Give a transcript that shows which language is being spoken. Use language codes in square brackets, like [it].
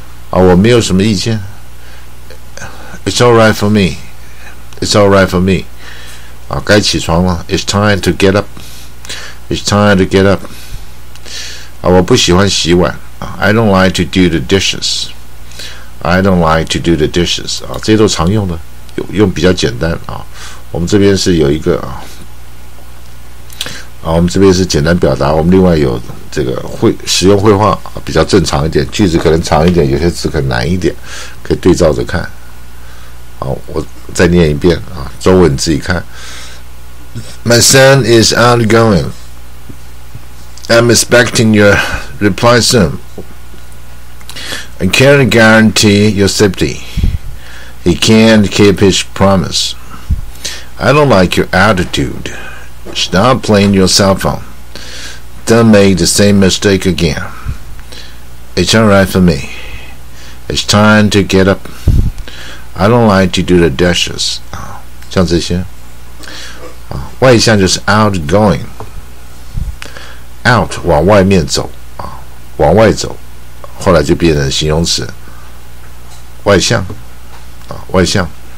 [zh] 我没有什么意见。 [en] It's all right for me. It's all right for me. [zh] 该起床了。 [en] It's time to get up. It's time to get up. [zh] 我不喜欢洗碗。 [en] I don't like to do the dishes. I don't like to do the dishes. [zh] 这些都常用的，用比较简单。我们这边是有一个，我们这边是简单表达，我们另外有这个使用绘画，比较正常一点，句子可能长一点，有些字可能难一点，可以对照着看。好，我再念一遍啊，中文你自己看。 [en] My son is outgoing. I'm expecting your reply soon. I can't guarantee your safety. He can't keep his promise. I don't like your attitude. Stop playing your cell phone. Don't make the same mistake again. It's all right for me. It's time to get up. I don't like to do the dishes. [zh] 像这些。外向就是 outgoing. Out, 往外面走。往外走。后来就变成形容词。外向。外向。